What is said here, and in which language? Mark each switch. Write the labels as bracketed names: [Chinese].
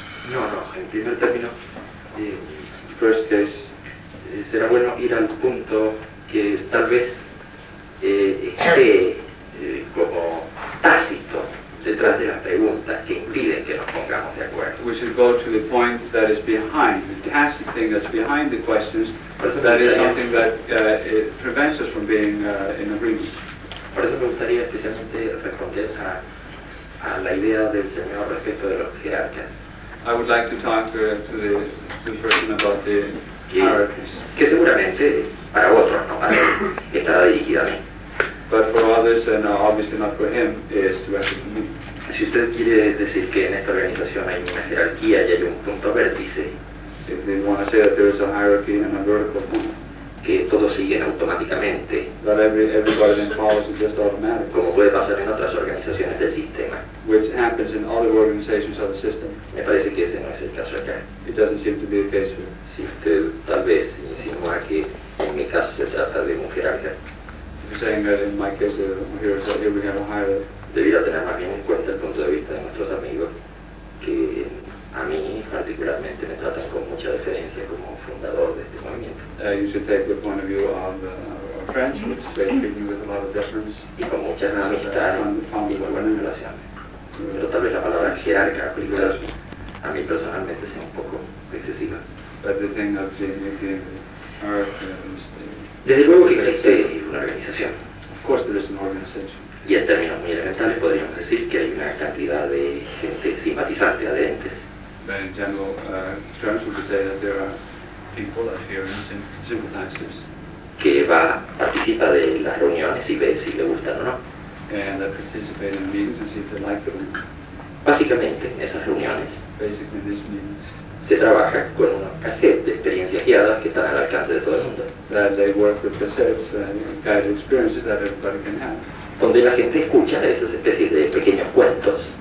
[Spanish] No, en primer término, [English] first case, [Spanish] será bueno ir al punto que tal vez esté como tácito detrás de la pregunta que impide que nos pongamos de acuerdo. [English] We should go to the point that is behind, the tacit thing that's behind the questions, that is something that prevents us from being in agreement. [Spanish] Por eso me gustaría especialmente responder a la idea del Señor respecto de los jerarcas. [English] I would like to talk to the person about the hierarchies. [Spanish] Que seguramente para otros no para él estará dirigida a mí. [English] But for others, and obviously not for him, is directed to me. [Spanish] Si usted quiere decir que en esta organización hay una jerarquía y hay un punto vértice. [English] If they want to say that there is a hierarchy and a vertical point. [Spanish] Que todos siguen automáticamente. [English] That everybody then follows it just automatically. [Spanish] Como puede pasar en otras organizaciones del sistema. [English] Which happens in other organizations of the system. [Spanish] Me parece que ese no es el caso acá. [English] It doesn't seem to be the case here. [Spanish] Si usted tal vez insinúa que en mi caso se trata de un jerarca. [English] You're saying that in my case, here we have a higher. [Spanish] Debería tener más bien en cuenta el punto de vista de nuestros amigos, que a mí particularmente me tratan con mucha deferencia como fundador de este movimiento. [English] You should take the point of view of our friends, which is treating you with a lot of deference. [Spanish] Y con mucha amistad y muy buenas relaciones. Pero tal vez la palabra jerarca aplicada a mí personalmente sea un poco excesiva. [English] But the thing of [Spanish] desde luego que existe una organización. [English] Of course there is an organization. [Spanish] Y en términos muy elementales podríamos decir que hay una cantidad de gente simpatizante, adherentes. [English] But in general terms we could say that there are people that are here and sympathizers. [Spanish] Que va, participa de las reuniones y ve si le gustan o no. [English] And that participate in meetings and see if they like them. [Spanish] Básicamente, en esas reuniones, [English] basically, in these meetings, [Spanish] se trabaja con una cassette de experiencias guiadas que están al alcance de todo el mundo. [English] That they work with cassettes and guided experiences that everybody can have. [Spanish] Donde la gente escucha esas especies de pequeños cuentos.